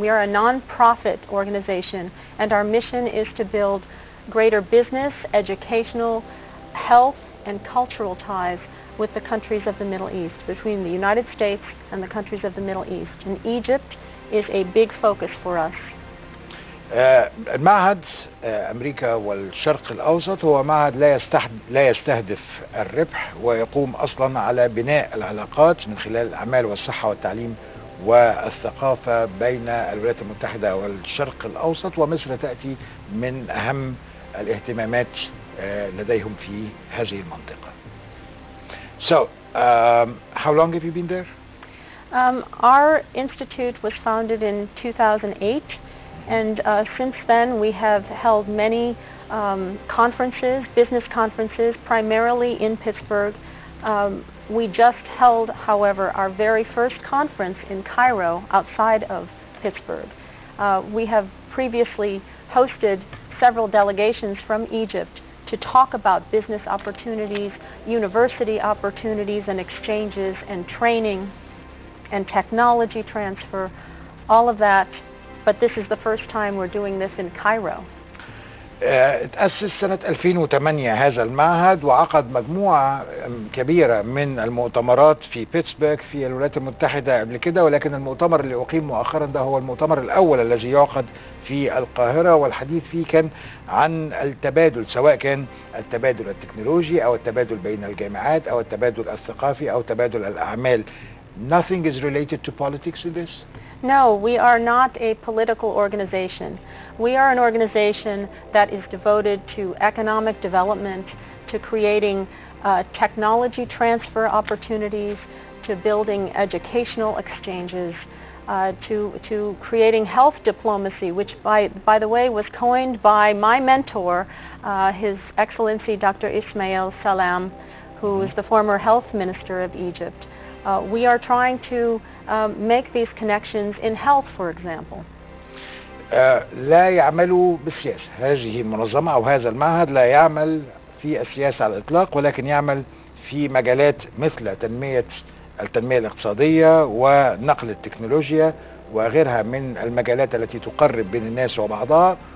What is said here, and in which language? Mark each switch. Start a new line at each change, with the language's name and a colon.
English: We are a non-profit organization, and our mission is to build greater business, educational, health, and cultural ties with the countries of the Middle East, between the United States and the countries of the Middle East. And Egypt is a big focus for us.
Arabic: المعهد أمريكا والشرق الأوسط هو معهد لا يستهدف الربح، ويقوم أصلا على بناء العلاقات من خلال الأعمال والصحة والتعليم والثقافة بين الولايات المتحدة والشرق الأوسط، ومصر تأتي من أهم الاهتمامات لديهم في هذه المنطقة.
English: So, how long have you been there? Our institute was founded in 2008. And since then, we have held many conferences, business conferences, primarily in Pittsburgh. We just held, however, our very first conference in Cairo, outside of Pittsburgh. We have previously hosted several delegations from Egypt to talk about business opportunities, university opportunities and exchanges, and training and technology transfer, all of that. But this is the first time we're doing this in Cairo.
Arabic: تأسس سنة 2008 هذا المعهد، وعقد مجموعة كبيرة من المؤتمرات في بيتسبرغ في الولايات المتحدة قبل كده، ولكن المؤتمر اللي أقيم مؤخرا ده هو المؤتمر الأول الذي يعقد في القاهرة، والحديث فيه كان عن التبادل، سواء كان التبادل التكنولوجي أو التبادل بين الجامعات أو التبادل الثقافي أو تبادل الأعمال.
English: Nothing is related to politics in this? No, we are not a political organization. We are an organization that is devoted to economic development, to creating technology transfer opportunities, to building educational exchanges, to creating health diplomacy, which by the way was coined by my mentor, His Excellency Dr. Ismail Salam, who is the former health minister of Egypt. We are trying to make these connections in health, for example.
Arabic: لا يعمل بالسياسة. هذه المنظمة أو هذا المعهد لا يعمل في السياسة على الإطلاق، ولكن يعمل في مجالات مثل التنمية الاقتصادية ونقل التكنولوجيا وغيرها من المجالات التي تقرب بين الناس وبعضها.